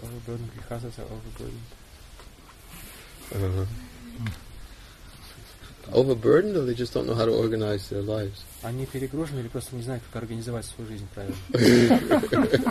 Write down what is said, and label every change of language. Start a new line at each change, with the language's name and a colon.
Russian: перегружены, грихасы перегружены.
English: Overburdened, or they just don't know how to organize their lives?
Russian: Они перегружены или просто не знают, как организовать свою жизнь правильно?